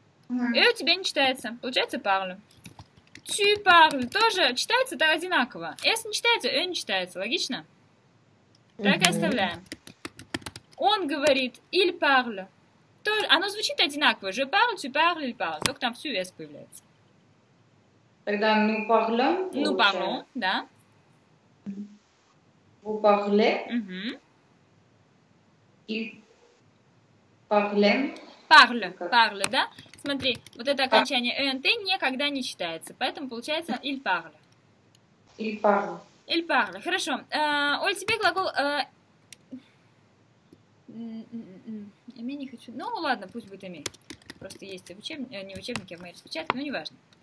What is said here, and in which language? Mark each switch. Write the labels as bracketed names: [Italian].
[Russian] «E» у тебя не читается, получается «parle». [French] «Tu parle» [Russian] тоже читается так одинаково. «S» не читается, «e» не читается, логично? Так и оставляем. «Он говорит», [French] «il parle». [Russian] То, оно звучит одинаково. [French] Je parle, tu parles, il parle. [Russian] Только там всю S появляется. Тогда [French] nous parlons. Nous parlons, [Russian] да. [French] Vous parlez. [Russian] Угу. [French] Ils parlent. Parle, parle, [Russian] да. Смотри, вот это окончание ENT никогда не читается. Поэтому получается [French] il parle. Il parle. Il parle. [Russian] Хорошо. Оль, тебе глагол... Эмей не хочу. Ну, ладно, пусть будет Эмей. Просто есть в учебнике, не в учебнике, а в моей распечатке, но неважно.